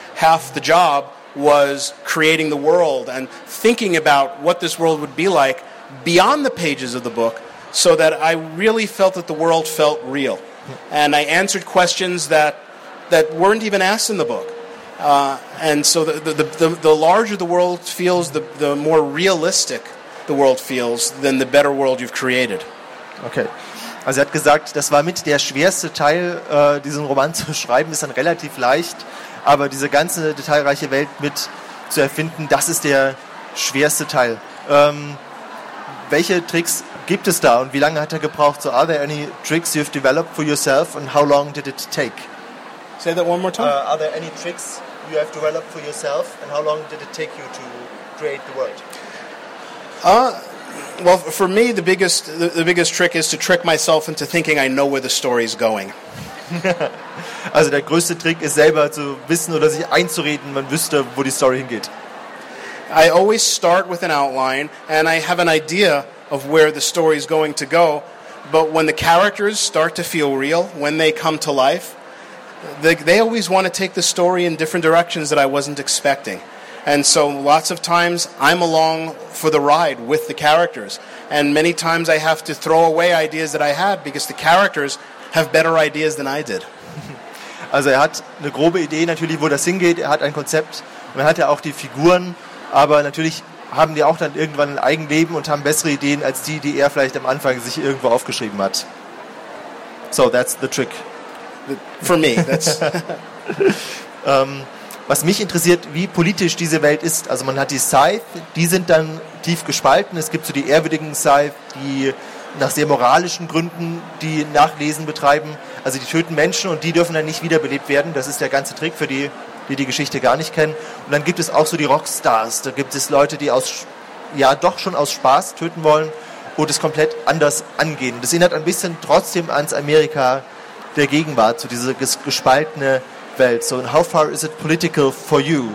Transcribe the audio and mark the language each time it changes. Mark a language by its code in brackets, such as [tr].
[en] Half the job was creating the world and thinking about what this world would be like beyond the pages of the book so that I really felt that the world felt real. And I answered questions that weren't even asked in the book. And so the larger the world feels, the more realistic the world feels than the better world you've created. Okay. [de] Also er hat gesagt, das war mit der schwerste Teil, diesen Roman zu schreiben, ist dann relativ leicht, aber diese ganze detailreiche Welt mit zu erfinden, das ist der schwerste Teil. Welche Tricks gibt es da und wie lange hat er gebraucht? [en] So, are there any tricks you've developed for yourself and how long did it take? Say that one more time. Are there any tricks you have developed for yourself and how long did it take you to create the world? Well, for me, the biggest trick is to trick myself into thinking I know where the story is going. [de] Also der größte Trick ist selber zu wissen oder sich einzureden, man wüsste, wo die Story hingeht. [en] I always start with an outline and I have an idea of where the story is going to go, but when the characters start to feel real, when they come to life, they always want to take the story in different directions that I wasn't expecting. And so lots of times I'm along for the ride with the characters, and many times I have to throw away ideas that I had because the characters have better ideas than I did. [de] Also er hat eine grobe Idee natürlich, wo das hingeht, er hat ein Konzept und er hat ja auch die Figuren, aber natürlich haben die auch dann irgendwann ein Eigenleben und haben bessere Ideen als die, die er vielleicht am Anfang sich irgendwo aufgeschrieben hat. [en] So, that's the trick. For me, that's... [de] was mich interessiert, wie politisch diese Welt ist. Also man hat die Scythe, die sind dann tief gespalten. Es gibt so die ehrwürdigen Scythe, die nach sehr moralischen Gründen die Nachlesen betreiben. Also die töten Menschen und die dürfen dann nicht wiederbelebt werden. Das ist der ganze Trick für die Geschichte gar nicht kennen. Und dann gibt es auch so die Rockstars. Da gibt es Leute, die aus Spaß töten wollen und es komplett anders angehen. Das erinnert ein bisschen trotzdem ans Amerika der Gegenwart, so diese gespaltene Welt. [en] So, and how far is it political for you?